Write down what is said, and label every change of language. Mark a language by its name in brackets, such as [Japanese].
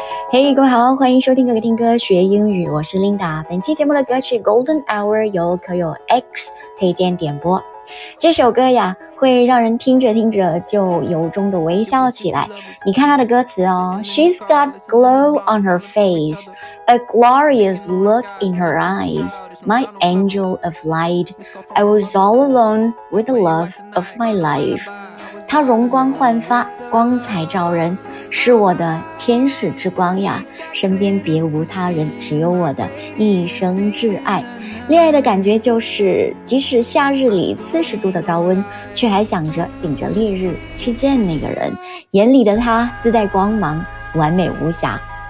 [Chinese] Hey， 各位好，欢迎收听哥哥听歌学英语，我是 Linda。本期节目的歌曲 Golden Hour 由可有 X 推荐点播。这首歌呀，会让人听着听着就由衷的微笑起来。你看他的歌词哦， [English] She's got glow on her face, a glorious look in her eyes, my angel of light, I was all alone with the love of my life。 [Chinese] 她容光焕发，光彩照人，是我的天使之光呀，身边别无他人，只有我的一生挚爱。恋爱的感觉就是，即使夏日里40度的高温，却还想着顶着烈日去见那个人，眼里的他自带光芒，完美无瑕。